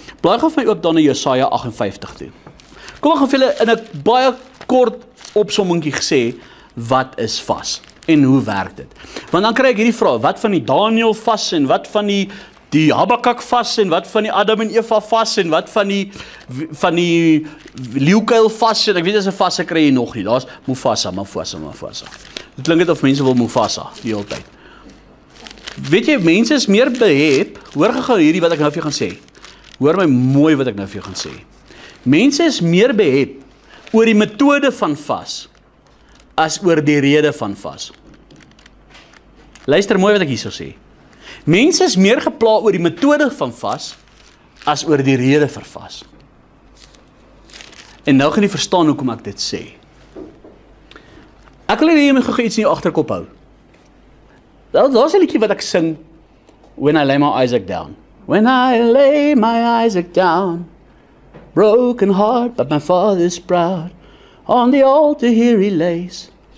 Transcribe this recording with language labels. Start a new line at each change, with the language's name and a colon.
Afrikaans: Blaai gaan my ook dan na Jesaja 58 toe. Kom, ek gaan vir julle in 'n baie kort opsommingkie gesê, wat is vas? En hoe werk dit? Want dan kry ek hierdie vraag, wat van die Daniel vas en wat van die Habakkuk vas en wat van die Adam en Eva vas en wat van die leeukuil vas en ek weet as 'n vas kry jy nog nie. Daar's Mufasa. Dit klink dit of mense wil Mufasa die hele tyd. Weet jy, mense is meer behep, hoor gou hierdie wat ek nou vir jou gaan sê. Hoor my mooi wat ek nou vir jou gaan sê. Mense is meer behep oor die metode van vas as oor die rede van vas. Luister mooi wat ek hierso sê. Mense is meer gepla oor die metode van vas as oor die rede vir vas. En nou gaan jy verstaan hoekom ek dit sê. Ek wil hê jy moet gou iets in jou agterkop hou. Daar's 'n liedjie wat ek sing, When I Lay My Isaac Down.
English: When I lay my Isaac down, broken heart but my father's proud, on the altar here he lays.